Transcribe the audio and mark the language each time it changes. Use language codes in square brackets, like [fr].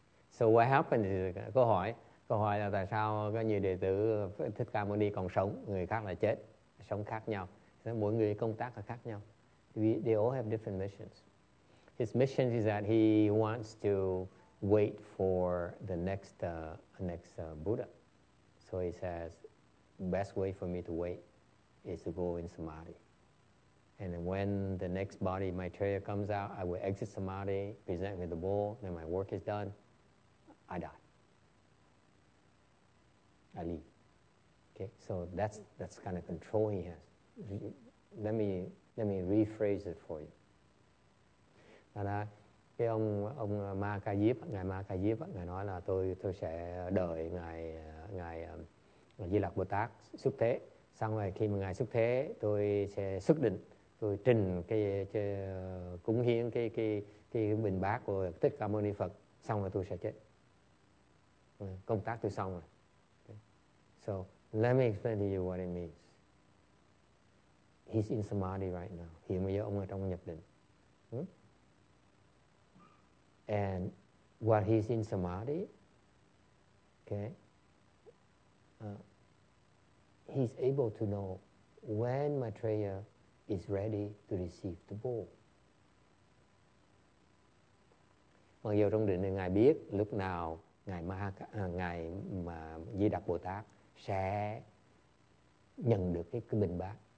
[en] So what happened is, [vi] câu hỏi là tại sao có nhiều đệ tử Thích Ca Mâu Ni còn sống, người khác là chết, sống khác nhau. Mỗi người công tác là khác nhau. [en] They all have different missions. His mission is that he wants to wait for the next Buddha. So he says, best way for me to wait is to go in Samadhi. And when the next body, Maitreya, comes out, I will exit Samadhi, present me the bowl, then my work is done, I die. I leave. Okay, so that's the kind of control he has. Let me rephrase it for you. [vi] Cái ông Ma Ca Diếp, Ngài Ma Ca Diếp, Ngài nói là tôi sẽ đợi Ngài Di Lặc Bồ Tát xuất thế. Xong rồi khi mà Ngài xuất thế, tôi sẽ xuất định. Tôi trình cái cúng hiến cái bình bát của Thích Ca Mâu Ni Phật, xong rồi tôi sẽ chết. Công tác tôi xong rồi. Okay. [en] So, let me explain to you what it means. He's in Samadhi right now. [vi] Hiện bây giờ ông ở trong nhập định. [en] And while he's in Samadhi, okay, he's able to know when Maitreya is ready to receive the bowl. [vi] Mặc dù trong định này Ngài biết lúc nào Ngài mà Di Đặc Bồ Tát sẽ nhận được cái bình bát.